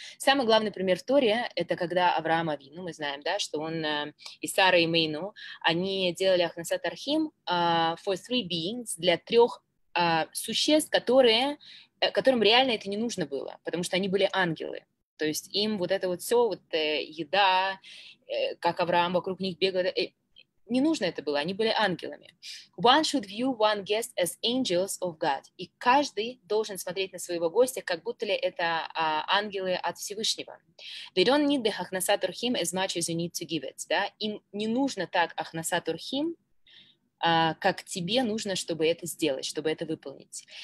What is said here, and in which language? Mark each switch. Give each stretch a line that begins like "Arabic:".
Russian: Самый главный пример в Торе — это когда Авраам Авину, мы знаем, да, что он и Сара, и Мейну, они делали Ахнасат Архим
English: for three beings,
Russian: для трех существ, которым реально это не нужно было, потому что они были ангелы. То есть им вот это вот все, вот еда, как Авраам вокруг них бегал, не нужно это было, они были ангелами.
English: One should view one guest as angels of God.
Russian: И каждый должен смотреть на своего гостя, как будто ли это ангелы от Всевышнего.
English: They don't need the Ахнасат Урхим as much as you need to give it.
Russian: Да? Им не нужно так Ахнасат Урхим, как тебе нужно, чтобы это сделать, чтобы это выполнить.